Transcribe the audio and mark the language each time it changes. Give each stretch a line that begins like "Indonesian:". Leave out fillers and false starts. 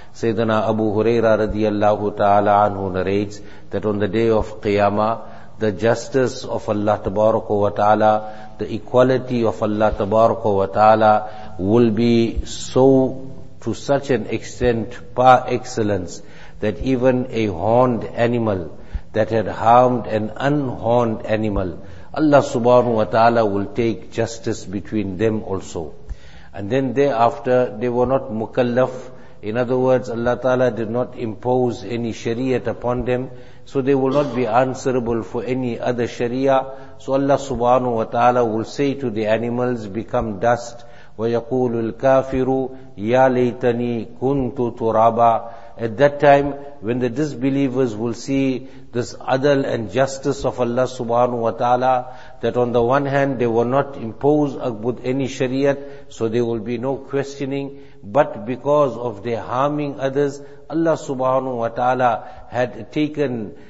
English: Sayyidina Abu Huraira radiallahu ta'ala anhu narrates that on the day of qiyamah, the justice of Allah tabaraka wa ta'ala, the equality of Allah tabaraka wa ta'ala will be so to such an extent par excellence that even a horned animal that had harmed an unhorned animal, Allah subhanahu wa ta'ala will take justice between them also. And then thereafter, they were not mukallaf. In other words, Allah ta'ala did not impose any shariat upon them. So they will not be answerable for any other sharia. So Allah subhanahu wa ta'ala will say to the animals, become dust.
Arabic: وَيَقُولُ الْكَافِرُ يَا لَيْتَنِي كُنْتُ تُرَابًا.
English: At that time, when the disbelievers will see this adl and justice of Allah subhanahu wa ta'ala, that on the one hand they will not impose with any shariat, so there will be no questioning, but because of their harming others, Allah subhanahu wa ta'ala had taken